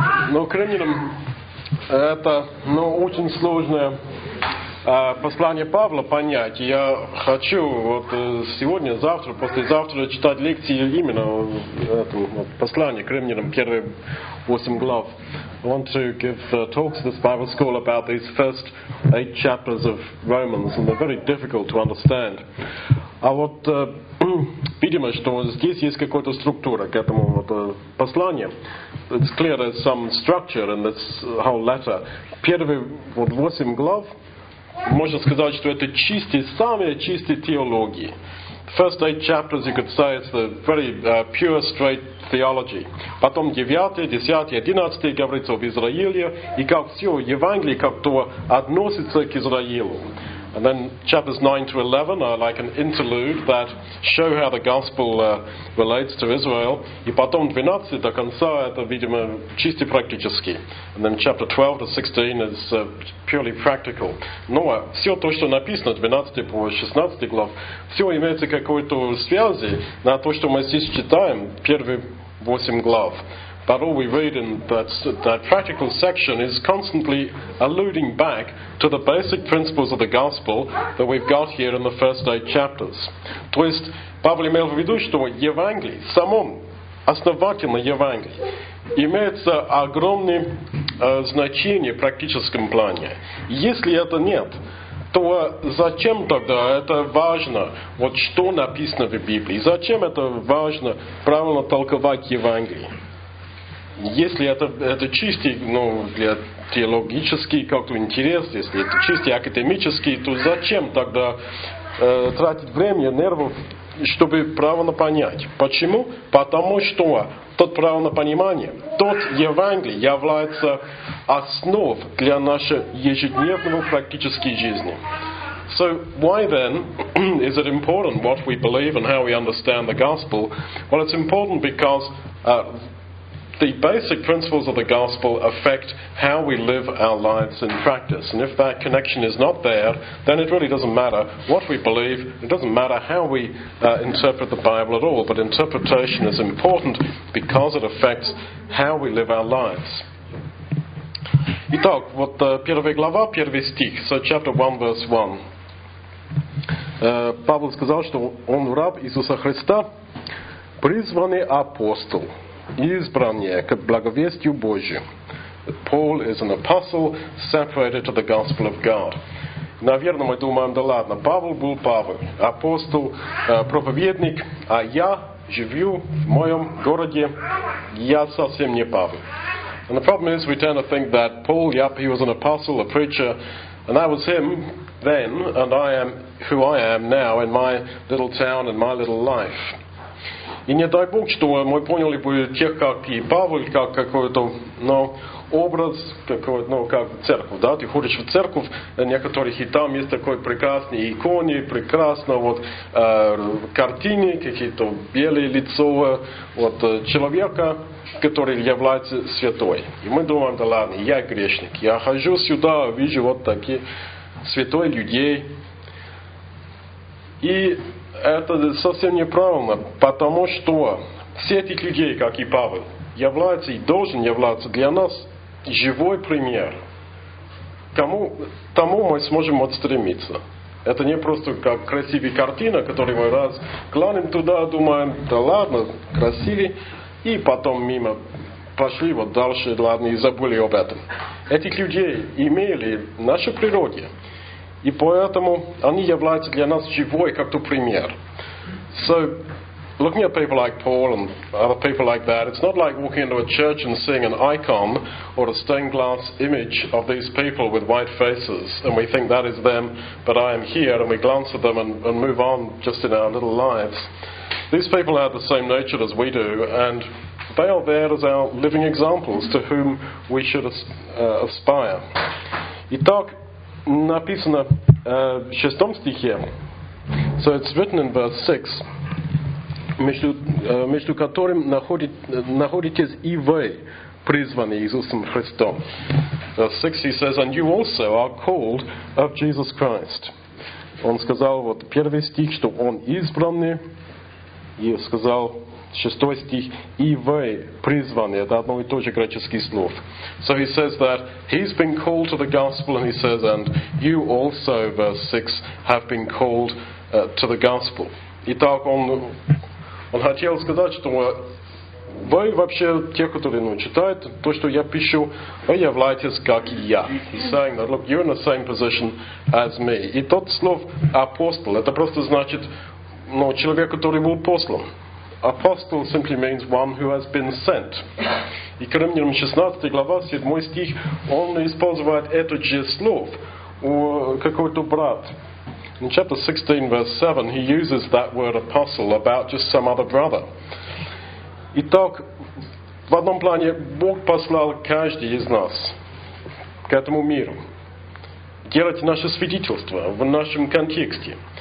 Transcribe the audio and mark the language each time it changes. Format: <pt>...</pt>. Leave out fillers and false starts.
<ru>Но Коринфянам это, ну, очень сложное послание Павла понять. Я хочу вот сегодня, завтра, послезавтра читать лекции именно этого вот послания Коринфянам, первые 8 глав.</ru> <en>I want to give talks to this Bible school about these first 8 chapters of Romans, and they're very difficult to understand.</en> <ru>А вот видимо, что здесь есть какая-то структура к этому вот посланию.</ru> <en>It's clear there's some structure in this whole letter.</en> <ru>Первые вот 8 глав, можно сказать, что это чистые, самые чистые теологии.</ru> <en>First 8 chapters, you could say, it's the very pure, straight theology.</en> <ru>Потом 9, 10, 11 говорится об Израиле, и как все Евангелие как-то относится к Израилю.</ru> <en>And then chapters 9 to 11 are like an interlude that show how the gospel relates to Israel.</en> <ru>И потом 12 до конца это, видимо, чисто практически.</ru> <en>And then chapter 12 to 16 is purely practical.</en> <ru>Но все то, что написано, 12 по 16 глав, все имеется какой-то связи на то, что мы здесь читаем первые 8 глав.</ru> <en>But all we read in that practical section is constantly alluding back to the basic principles of the gospel that we've got here in the first 8 chapters.</en> <ru>То есть, Павел имел в виду, что Евангелие, само основательное Евангелие, имеется огромное значение в практическом плане. Если это нет, то зачем тогда это важно? Вот что написано в Библии? Зачем это важно правильно толковать Евангелие? Если это чистый, ну, для теологический как-то интерес, если это чистый академический, то зачем тогда тратить время, нервов, чтобы правильно понять? Почему? Потому что тот правильное понимание, тот Евангелие является основ для нашей ежедневного практической жизни.</ru> <en>So why then is it important what we believe and how we understand the gospel? Well, it's important because the basic principles of the gospel affect how we live our lives in practice. And if that connection is not there, then it really doesn't matter what we believe, it doesn't matter how we interpret the Bible at all. But interpretation is important because it affects how we live our lives.</en> <ru>Итак, вот первая глава, первый стих,</ru> <en>so chapter 1, verse 1.</en> <ru>Павел сказал, что он раб Иисуса Христа, призванный апостол. Избранные к благовестию Божию.</ru> <en>Paul is an apostle separated to the gospel of God.</en> <ru>Наверное, мы думаем, да ладно, Павел был Павел, апостол, проповедник, а я живу в моем городе, я совсем не Павел.</ru> <en>And the problem is, we tend to think that Paul, yep, he was an apostle, a preacher, and that was him then, and I am who I am now in my little town, in my little life.</en> <ru>И не дай Бог, что мы поняли бы тех, как и Павел, как какой-то, ну, образ, какой, ну, как церковь, да, ты ходишь в церковь, некоторых и там есть такой прекрасный иконе, прекрасно, вот, картины, какие-то белые лицо, вот, человека, который является святой. И мы думаем, да ладно, я грешник, я хожу сюда, вижу вот такие святой людей. И это совсем неправильно, потому что все эти людей, как и Павел, являются и должен являться для нас живой пример. Кому, тому мы сможем вот стремиться. Это не просто как красивая картина, которую мы раз кланим туда, думаем, да ладно, красивый, и потом мимо пошли вот дальше, ладно, и забыли об этом. Этих людей имели в нашей природе. И поэтому они являются для нас живой как-то пример.</ru> <en>So, looking at people like Paul and other people like that, it's not like walking into a church and seeing an icon or a stained glass image of these people with white faces and we think that is them, but I am here, and we glance at them and move on just in our little lives. These people have the same nature as we do, and they are there as our living examples to whom we should aspire.</en> <ru>Итак, написано в шестом стихе.</ru> <en>So it's written in verse 6.</en> <ru>Между которым находитесь и вы, призванные Иисусом Христом.</ru> <en>Verse 6 he says, and you also are called of Jesus Christ.</en> <ru>Он сказал вот первый стих, что он избранный. И сказал 6 стих, и вы призваны. Это одно и то же греческое слово.</ru> <en>So he says that he's been called to the gospel, and he says, and you also, verse 6, have been called to the gospel.</en> <ru>Итак, он хотел сказать, что вы вообще, те, которые читают то, что я пишу, вы являетесь как я.</ru> <en>He's saying that, look, you're in the same position as me.</en> <ru>И тот слов апостол, это просто значит, человек, который был послан.</ru> <en>Apostle simply means one who has been sent.</en> <ru>И к Римлянам 16 глава, 7 стих, он использует это же слово у какого-то брата.</ru> <en>In chapter 16, verse 7, he uses that word apostle about just some other brother.</en> <ru>Итак, в одном плане, Бог послал каждый из нас к этому миру делать наше свидетельство в нашем контексте.</ru>